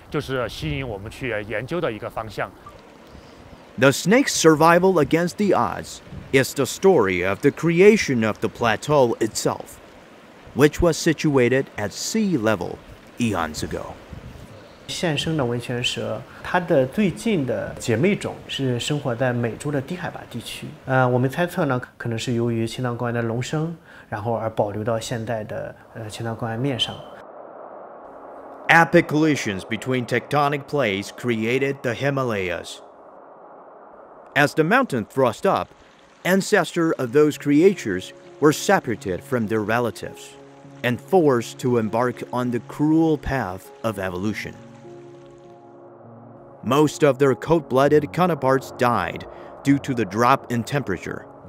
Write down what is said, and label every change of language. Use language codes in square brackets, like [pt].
[zh] 这种高海拔地区是缺氧，外泄非常强烈，在青藏高原这种比较恶劣的环境下，它都能够生存。那么这些适应能力就是吸引我们去研究的一个方向。 [en] The snake's survival against the odds is the story of the creation of the plateau itself, which was situated at sea level eons ago. [zh] 现生的文泉蛇，它的最近的姐妹种是生活在美洲的低海拔地区。我们猜测呢，可能是由于青藏高原的隆升，然后而保留到现代的青藏高原面上。 [en] Epic collisions between tectonic plates created the Himalayas. As the mountain thrust up, ancestors of those creatures were separated from their relatives and forced to embark on the cruel path of evolution. Most of their cold-blooded counterparts died due to the drop in temperature.